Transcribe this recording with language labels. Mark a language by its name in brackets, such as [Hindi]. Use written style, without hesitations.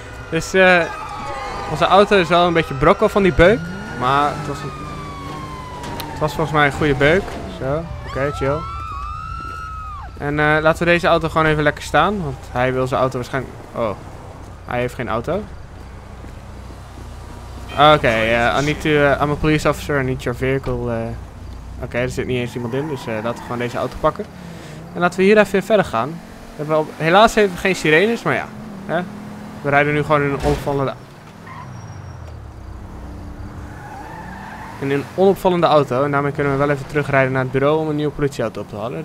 [Dutch] Dus onze auto is wel een beetje brokkel van die beuk. Maar het was een. Het was volgens mij een goede beuk. Zo, oké, chill. En laten we deze auto gewoon even lekker staan. Want hij wil zijn auto waarschijnlijk. Oh, hij heeft geen auto. [English] Oké, I'm a police officer, I need your vehicle. [Dutch] Oké, er zit niet eens iemand in, dus laten we gewoon deze auto pakken. En laten we hier even verder gaan. Helaas hebben we geen sirenes, maar ja. Hè? We rijden nu gewoon in een onvallende. In een onopvallende auto. En daarmee kunnen we wel even terugrijden naar het bureau om een nieuwe politieauto op te halen.